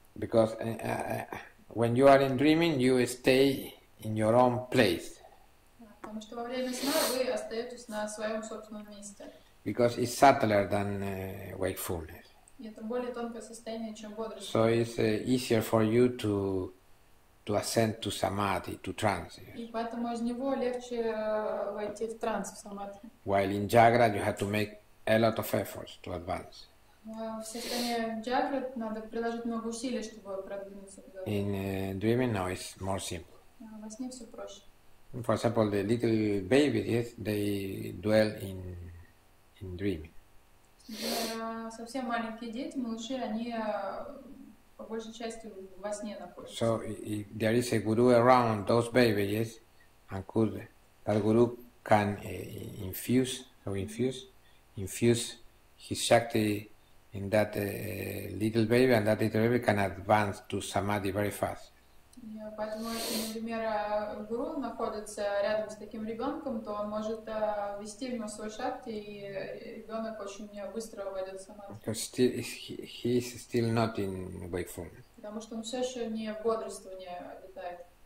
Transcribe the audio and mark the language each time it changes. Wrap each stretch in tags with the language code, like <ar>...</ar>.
<en>Because when you are in dreaming, you stay in your own place.</en> <ru>Потому что во время сна вы остаетесь на своем собственном месте.</ru> <en>Because it's subtler than wakefulness.</en> <ru>Это более тонкое состояние, чем бодрость.</ru> <en>So it's easier for you to ascend to samadhi, to trance.</en> <ru>И поэтому из него легче войти в транс, в самадхи.</ru> <en>While in jagra, you have to make a lot of efforts to advance.</en> <ru>В состоянии джагры надо приложить много усилий, чтобы продвинуться.</ru> <en>In dreaming, no, it's more simple.</en> <ru>Во сне все проще.</ru> <en>For example, the little babies, yes, they dwell in dreaming.</en> <ru>Например, совсем маленькие дети, малыши, они по большей части во сне находятся.</ru> <en>So if there is a guru around those babies, yes, and could that guru can infuse his shakti in that little baby, and that little baby can advance to samadhi very fast.</en> <ru>Yeah, поэтому, если, например, гуру находится рядом с таким ребенком, то он может ввести в него свой шакти, и ребенок очень быстро войдет в самадхи.</ru> <en>Because still, he is still not in wakefulness.</en> <ru>Потому что он все еще не в бодрствовании обитает.</ru>